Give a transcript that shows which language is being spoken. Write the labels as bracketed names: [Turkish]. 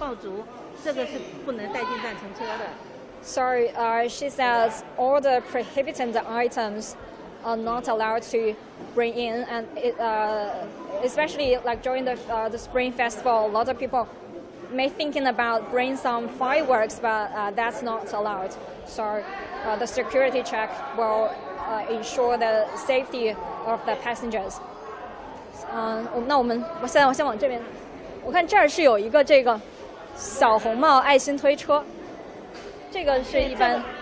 [Chinese] 我看这个室内大家也都是戴着口罩，是有这样的规定吗？就是进站的室内场所还是需要？虽然说现在疫情政策已经放开，但是我们还是倡导旅客佩戴好口罩在进站乘车。然后在这边我们也提醒所有的乘客呢，就是进站不要携带违禁品，易燃易爆品，因为现在春节嘛，咱们中国人传统喜欢放烟花爆竹，这个是不能带进站乘车的。 [English] Sorry, she says all the prohibited items are not allowed to bring in, and it, especially like during the Spring Festival, a lot of people may thinking about bring some fireworks, but that's not allowed. So the security check will ensure the safety of the passengers. [Chinese] 那我们现在往这边，我看这儿是有一个这个小红帽爱心推车，这个是一般。